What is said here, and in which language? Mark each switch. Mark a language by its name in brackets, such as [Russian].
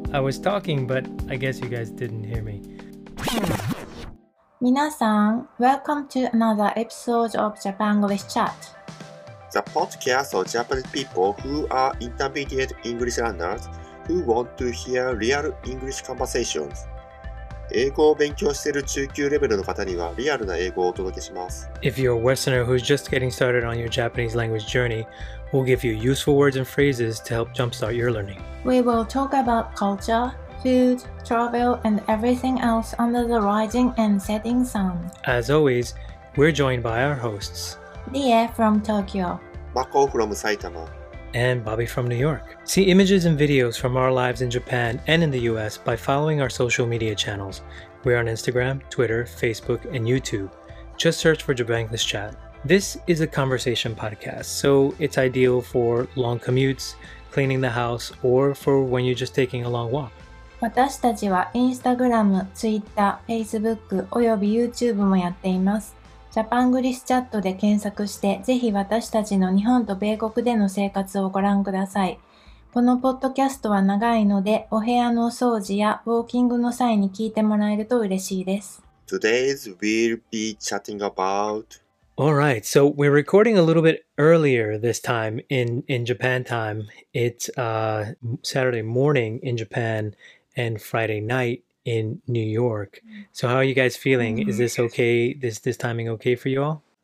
[English] I was talking, but I guess you guys didn't hear me. Minasan, welcome to another episode of Japanglish Chat. The podcast of Japanese people who are intermediate English learners who want to hear real English conversations. [Japanese] 英語を勉強している中級レベルの方にはリアルな英語をお届けします。 [English] If you're a Westerner who's just getting started on your Japanese language journey, we'll give you useful words and phrases to help jumpstart your learning. We will talk about culture, food, travel, and everything else under the rising and setting sun. As always, we're joined by our hosts. Lie from Tokyo. Mako from Saitama. And Bobby from New York. See images and videos from our lives in Japan and in the US by following our social media channels. We're on Instagram, Twitter, Facebook, and YouTube. Just search for Japanglish Chat. This is a conversation podcast, so it's ideal for long commutes, cleaning the house, or for when you're just taking a long walk. [Japanese] 私たちは Instagram、Twitter、Facebook、および YouTube もやっています。ジャパングリスチャットで検索して、ぜひ私たちの日本と米国での生活をご覧ください。このポッドキャストは長いので、お部屋の掃除やウォーキングの際に聞いてもらえると嬉しいです。 [English] Today's we'll be chatting about... Alright, so we're recording a little bit earlier this time in Japan time. It's Saturday morning in Japan and Friday night in New York. So how are you guys feeling? Is this okay? This timing okay for you all?